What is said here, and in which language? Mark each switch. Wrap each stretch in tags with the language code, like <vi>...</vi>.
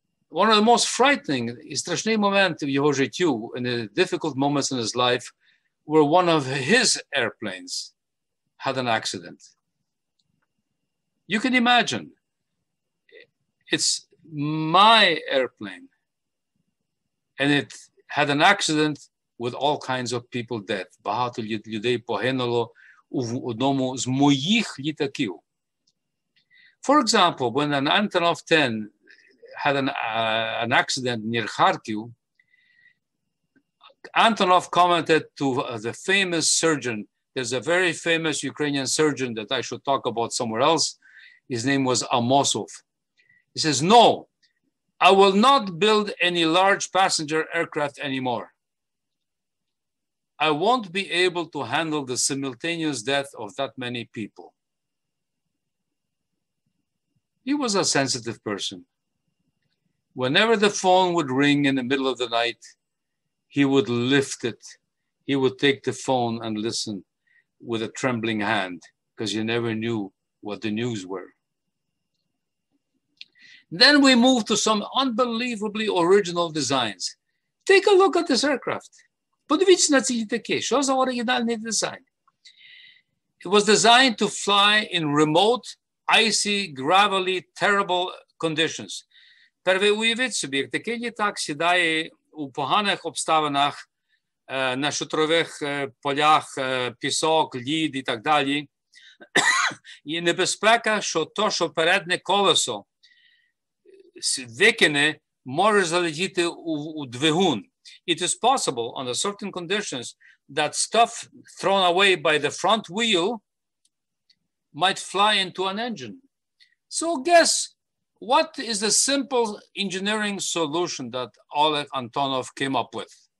<en>One of the most frightening,</en> <uk>страшний момент в його життю,</uk> <en>in the difficult moments in his life, were one of his airplanes had an accident. You can imagine, it's my airplane, and it had an accident with all kinds of people dead.</en> <uk>Багато людей погинуло у одному з моїх літаків.</uk> <en>For example, when an Antonov 10 had an accident near Kharkiv, Antonov commented to the famous surgeon. There's a very famous Ukrainian surgeon that I should talk about somewhere else. His name was Amosov. He says, no, I will not build any large passenger aircraft anymore. I won't be able to handle the simultaneous death of that many people. He was a sensitive person. Whenever the phone would ring in the middle of the night, he would lift it. He would take the phone and listen. with a trembling hand, because you never knew what the news were. Then we moved to some unbelievably original designs. Take a look at this aircraft.</en> <uk>Подивіться на ці літаки. Що за оригінальний дизайн?</uk> <en>It was designed to fly in remote, icy, gravelly, terrible conditions.</en> <uk>Перше уявіть собі, як такий літак сідає у поганих обставинах, на шутрових полях, пісок, лід і так далі. І небезпека, що то, що переднє колесо викине, може залетіти у двигун.</uk> <en>It is possible, under certain conditions, that stuff thrown away by the front wheel might fly into an engine. So guess, what is the simple engineering solution that Oleg Antonov came up with?</en>